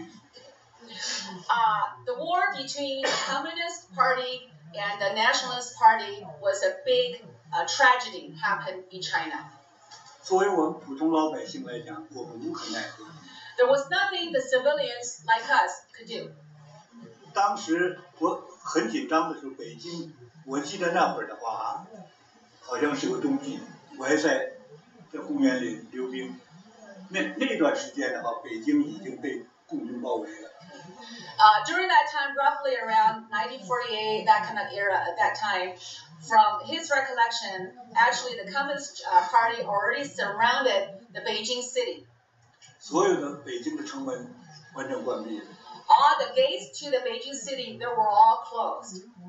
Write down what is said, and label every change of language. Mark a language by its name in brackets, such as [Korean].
[Chinese] 国共的战争对中国老百姓来讲是个大悲剧。The [English] war between the Communist Party and the Nationalist Party was a big tragedy happened in China. [Chinese] 作为我们普通老百姓来讲，我们无可奈何。There [English] was nothing the civilians like us could do. [Chinese] 当时我很紧张的时候，北京，我记得那会儿的话，好像是个冬季，我还在公园里溜冰。那段时间的话，北京已经被共军包围了。During [English] that time, roughly around 1948, that kind of era, at that time, from his recollection, actually the Communist Party already surrounded the Beijing city. [Chinese] 所有的北京的城门完全关闭了。 [English] All the gates to the Beijing city, they were all closed.